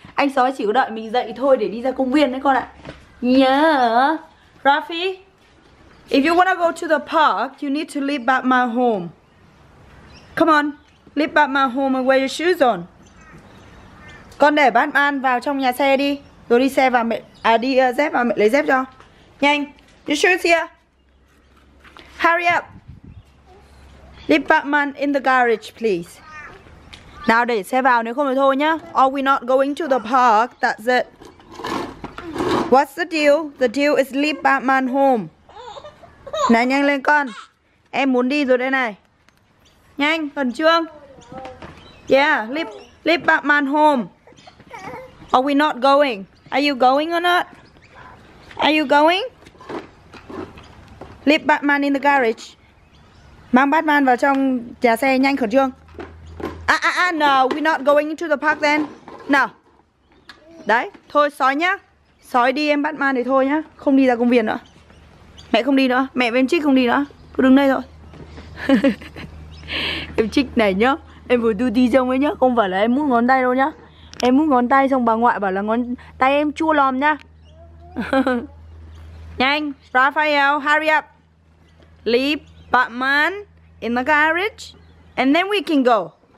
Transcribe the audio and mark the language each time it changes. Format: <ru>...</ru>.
<vi>Anh sói chỉ có đợi mình dậy thôi để đi ra công viên đấy con ạ.</vi> <en>Yeah. Rafi, if you wanna go to the park, you need to leave back my home. Come on, leave back my home and wear your shoes on.</en> <vi>Con để Batman vào trong nhà xe đi. Rồi đi xe vào mẹ. À đi dép vào mẹ lấy dép cho. Nhanh.</vi> <en>Your shoes here. Hurry up. Leave Batman in the garage please.</en> <vi>Nào để xe vào, nếu không thì thôi nhá.</vi> <en>Are we not going to the park? That's it. What's the deal? The deal is leave Batman home.</en> <vi>Này nhanh lên con. Em muốn đi rồi đây này. Nhanh, khẩn trương.</vi> <en>Yeah, leave Batman home. Are we not going? Are you going or not? Are you going? Leave Batman in the garage.</en> <vi>Mang Batman vào trong nhà xe nhanh khẩn trương.</vi> <en>No, we're not going into the park then. No.</en> <vi>Đấy, thôi sói nhá. Sói đi em Batman thì thôi nhá. Không đi ra công viên nữa. Mẹ không đi nữa, mẹ với em Trích không đi nữa. Cứ đứng đây thôi. Em Trích này nhá. Em vừa đu đi trông ấy nhá. Không phải là em mút ngón tay đâu nhá. Em múc ngón tay xong bà ngoại bảo là ngón tay em chua lòm nhá. Nhanh,</vi> <en>Raphael, hurry up. Leave Batman in the garage and then we can go.</en>